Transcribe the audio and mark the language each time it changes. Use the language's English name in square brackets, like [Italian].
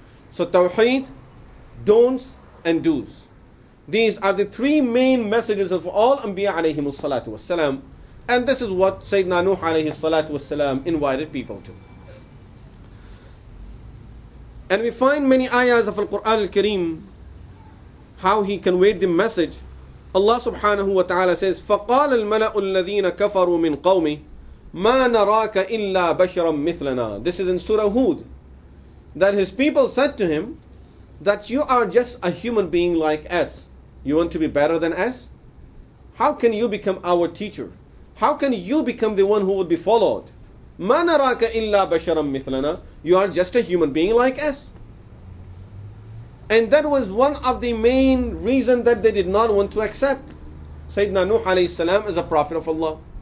[English] So Tawheed, don'ts, and do's. These are the three main messages of all Anbiya alayhim salatu wassalam. And this is what Sayyidina Nuh alayhi salatu wassalam invited people to. And we find many ayahs of Al-Quran Al-Kareem, how he conveyed the message. [Arabic] Allah subhanahu wa ta'ala says, فَقَالَ الْمَلَأُ الَّذِينَ كَفَرُوا مِنْ قَوْمِهِ مَا نَرَاكَ إِلَّا بَشْرًا مِثْلَنَا. [English] This is in Surah Hud. That his people said to him, that you are just a human being like us. You want to be better than us? How can you become our teacher? How can you become the one who would be followed? [Arabic] مَا نَرَاكَ إِلَّا بَشْرًا مِثْلَنَا. [English] You are just a human being like us. And that was one of the main reasons that they did not want to accept Sayyidina Nuh alayhi salam as a prophet of Allah.